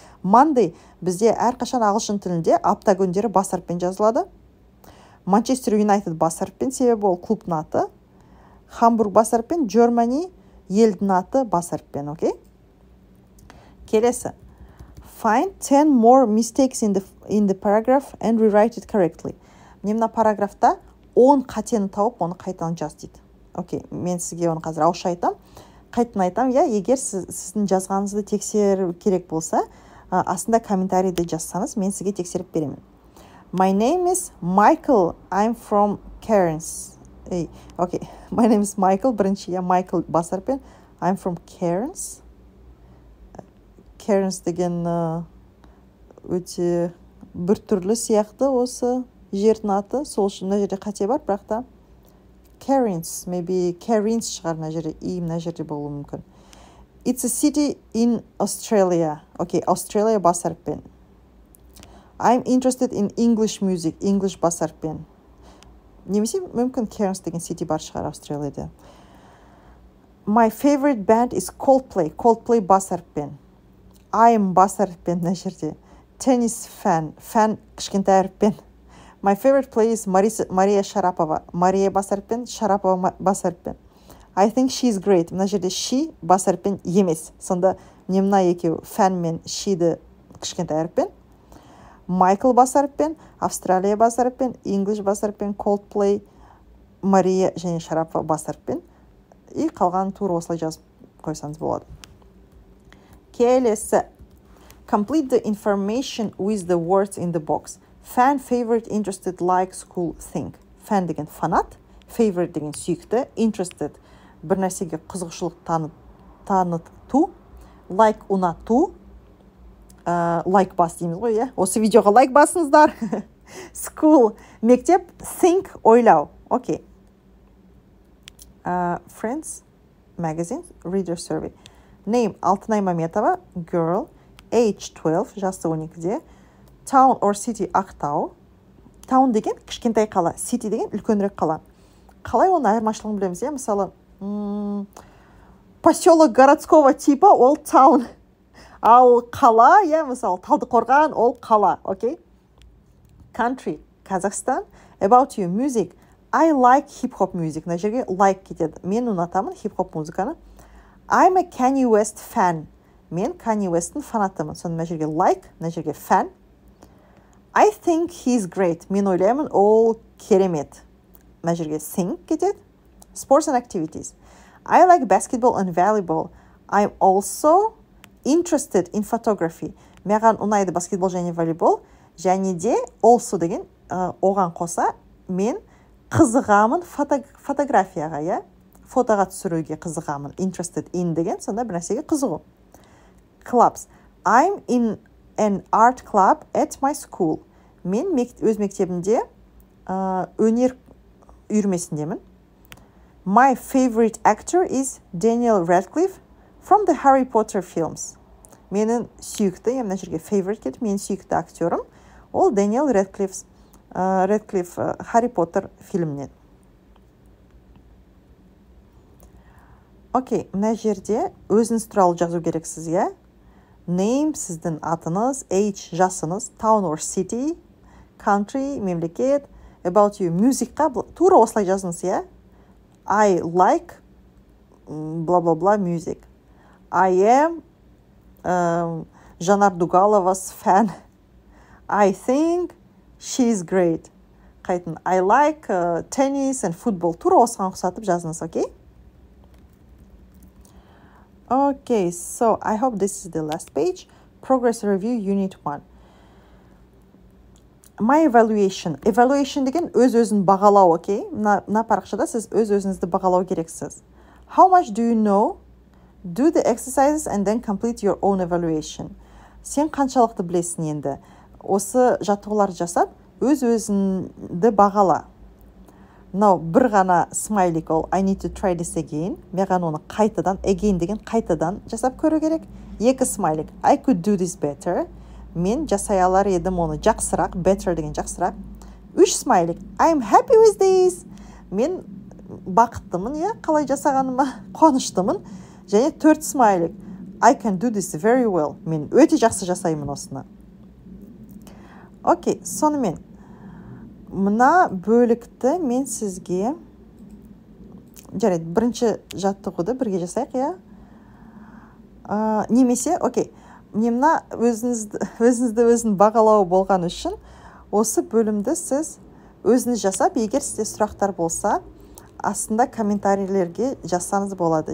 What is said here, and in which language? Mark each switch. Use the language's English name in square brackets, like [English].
[Kazakh] Monday бізде әрқашан ағылшын тілінде апта күндері бас әріппен жазылады. Манчестер Юнайтед бас әріппен, себебі ол клубтың аты. Hamburg бас әріппен, Germany елдің аты бас әріппен, окей? Келесі. [English] Find 10 more mistakes in the paragraph and rewrite it correctly. [Kazakh] Мен параграфта 10 қатені тауып, оны қайтадан жаз дейді. Окей, мен сізге оны қазір ауызша айтам. Қайтын айтам, я, егер сіздің жазғаныңызды тексер керек болса, астында комментарийді жазсаңыз, мен сізге тексеріп беремін. [English] My name is Michael. I'm from Cairns. Окей, my name is Michael. [Kazakh] Бірінші, я, Michael басарпен. [English] I'm from Cairns. [Kazakh] Cairns деген өте бір түрлі сияқты осы жердің аты. Сол үшін мына жерде қате бар, бірақ та Cairns, maybe Cairns шығар мына жерде. И мына жерде болуы мүмкін. [English] It's a city in Australia. [Kazakh] Okay, Australia бас әріппен. [English] I'm interested in English music. [Kazakh] English бас әріппен. Немесе мүмкін Cairns деген сити бар шығар Австралияда. [English] My favorite band is Coldplay. [Kazakh] Coldplay бас әріппен. I'm бас әріппен мына жерде. [English] Tennis fan. [Kazakh] Fan кішкентай әріппен. [English] My favorite player is Мария Шарапова. [Kazakh] Мария бас әріппен, Шарапова бас әріппен. [English] I think she is great. [Kazakh] Мына жерде she бас әріппен емес. Сонда немна екеу fan мен she-ді кішкентай әріппен. Michael бас әріппен, Австралия бас әріппен, English бас әріппен, Coldplay, Мария және Шарапова бас әріппен. И қалған тур осылай жазып қойсаңыз болады. [English] Келесі. Complete the information with the words in the box. Fan, favorite, interested, like, school, think. [Kazakh] Fan деген фанат, favorite деген сүйікті, interested бір нәрсеге қызығушылық таныту, like ұнату, like бас дейміз ғой, иә? Осы видеоға like басыңыздар. School мектеп, think ойлау. Окей. [English] Friends magazine reader survey. Name Алтынай Маметова, girl, age 12, [Kazakh] жасы 12-де. [English] Town or city Ақтау. [Kazakh] Town деген кішкентай қала, city деген үлкенірек қала. Қалай оның айырмашылығын білеміз, иә? Мысалы, поселок городского типа ол town. Ал қала, иә, мысалы, Талдықорған ол қала, окей? [English] Country Kazakhstan. About you music. I like hip-hop music. [Kazakh] Мына жерге like кетеді. Мен ұнатамын hip-hop музыканы. [English] I'm a Kanye West fan. [Kazakh] Мен Kanye West-тің фанатымын. Сонда мына жерге like, мына жерге fan. [English] I think he's great. [Kazakh] Мен ойлаймын, ол керемет. Мына жерге think кетеді. [English] Sports and activities. I like basketball and volleyball. I'm also interested in photography. [Kazakh] Маған ұнайды баскетбол және волейбол. Және де also деген оған қоса мен қызығамын фотографияға, иә? Фотоға түсіруге қызығамын. Interested in деген сонда бір нәрсеге қызығу. [English] Clubs. I'm in an art club at my school. [Kazakh] Мен өз мектебімде өнер үйірмесіндемін. [English] My favorite actor is Daniel Radcliffe from the Harry Potter films. [Kazakh] Менің сүйікті, мына жерге favorite кетіп, менің сүйікті актерім ол Daniel Radcliffe. Radcliffe Harry Potter фильмінен. Окей, мына жерде өзіңіз туралы жазу керексіз, иә? Name сіздің атыңыз, age жасыңыз, town or city, country мемлекет, about you music-қа тура осылай жазыңыз, иә? [English] I like blah blah blah music. I am Жанар Дугалова's fan. I think she's great. Қайтын, I like tennis and football. [Kazakh] Тура осыған ұқсатып жазыңыз, окей? [English] Okay, so I hope this is the last page. Progress review, unit 1. My evaluation. [Kazakh] Evaluation деген өз-өзін бағалау, окей? На парақшада сіз өз-өзіңізді бағалау керексіз. [English] How much do you know? Do the exercises and then complete your own evaluation. [Kazakh] Сен қаншалықты білесің енді? Осы жаттығуларды жасап, өз-өзіңді бағала. [English] Now, [Kazakh] бір ғана смайлик ол, [English] I need to try this again. [Kazakh] Меған оны қайтадан, again деген қайтадан жасап көру керек. Екі смайлик, [English] I could do this better. [Kazakh] Мен жасай алар едім оны жақсырақ, better деген жақсырақ. [English] Үш смайлик, I'm happy with this. [Kazakh] Мен бақыттымын, иә, қалай жасағаныма, қуаныштымын. Және төрт смайлик, [English] I can do this very well. [Kazakh] Мен өте жақсы жасаймын осыны. Окей, сонымен. Мына бөлікті мен сізге жарайды, бірінші жаттығуды бірге жасайық, иә. Немесе, окей, мына өзіңізді өзіңіз бағалау болған үшін осы бөлімді сіз өзіңіз жасап, егер сізде сұрақтар болса, астында комментарийлерге жазсаңыз болады.